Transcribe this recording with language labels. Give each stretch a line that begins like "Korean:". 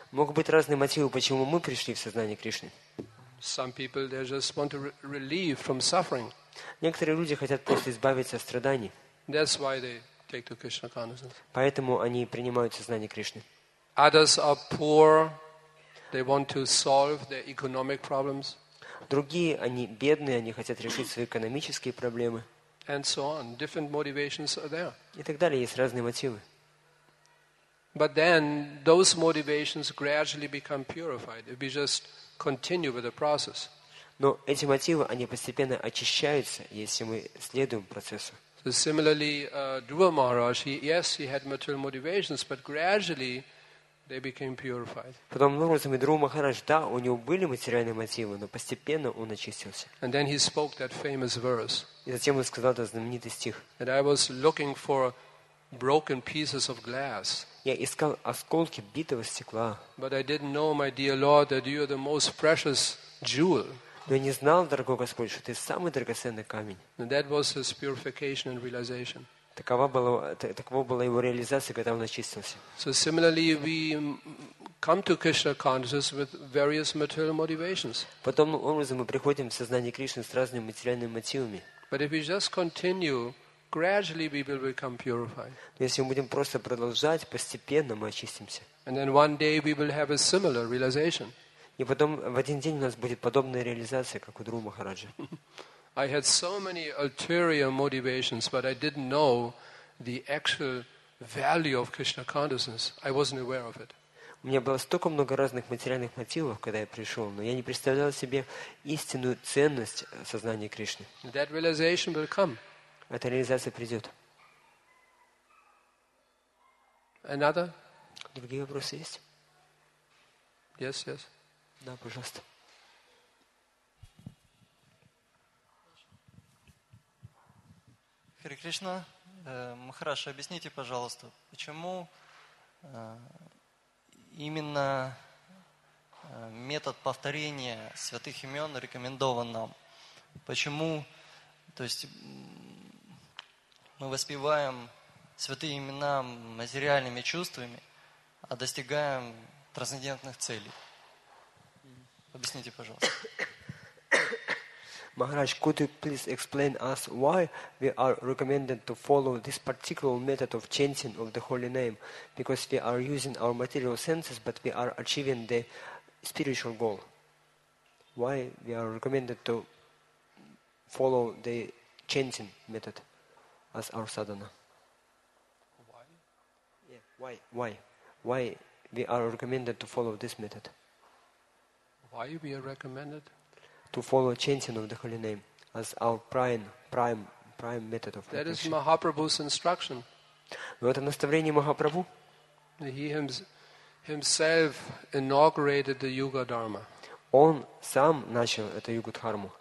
Russian: Могут быть разные мотивы, почему мы пришли в сознание Кришны.
English: Some people they just want to relieve from suffering.
Russian: Некоторые люди хотят просто избавиться от страданий.
English: That's why they take to Krishna consciousness.
Russian: Поэтому они принимают сознание Кришны.
English: Others are poor. They want to solve their economic problems.
Russian: Другие, они бедные, они хотят решить свои экономические проблемы.
English: And so on. Different motivations are there.
Russian: И так далее, есть разные мотивы.
English: But then those motivations gradually become purified if we just continue with the process.
Russian: Но эти мотивы, они постепенно очищаются, если мы следуем процессу.
English: Similarly, Dhruva Maharaj, he had material motivations, but gradually they became purified.
Russian: У него были материальные мотивы, но постепенно он очистился.
English: And then he spoke that famous verse.
Russian: И затем он сказал этот знаменитый стих.
English: And I was looking for broken pieces of glass.
Russian: Я искал осколки битого стекла.
English: But I didn't know, my dear Lord, that you are the most precious jewel.
Russian: Но я не знал, дорогой Господь, что ты самый драгоценный камень.
English: And that was his purification and realization.
Russian: Таково была его реализация, когда он очистился.
English: So similarly, we come to Krishna consciousness with various material motivations.
Russian: Потом образом мы приходим в сознание Кришны с разными материальными мотивами.
English: But if we just continue, gradually we will become purified.
Russian: Если мы будем просто продолжать, постепенно мы очистимся.
English: And then one day we will have a similar realization.
Russian: И потом в один день у нас будет подобная реализация, как у Дхрува Махараджа.
English: I had so many ulterior motivations, but I didn't know the actual value of Krishna consciousness. I wasn't aware of it.
Russian: У меня было столько много разных материальных мотивов, когда я пришел, но я не представлял себе истинную ценность сознания Кришны.
English: That realization will come.
Russian: Эта реализация придет.
English: Another?
Russian: Другие вопросы есть?
English: Yes, yes.
Russian: Да, пожалуйста. Хари Кришна, Махараш, объясните, пожалуйста, почему именно метод повторения святых имен рекомендован нам? Почему, то есть, мы воспеваем святые имена материальными чувствами, а достигаем трансцендентных целей? Объясните, пожалуйста.
English: Maharaj, could you please explain us why we are recommended to follow this particular method of chanting of the holy name? Because we are using our material senses, but we are achieving the spiritual goal. Why we are recommended to follow the chanting method as our sadhana? Why? Yeah. Why? Why? Why we are recommended to follow this method? Why we are recommended? To follow chanting of the holy name as our prime method of meditation. That is Mahaprabhu's instruction.
Russian: Это наставление Махапрабху.
English: He himself inaugurated the Yuga Dharma.
Russian: Он сам начал эту Юга Дхарму.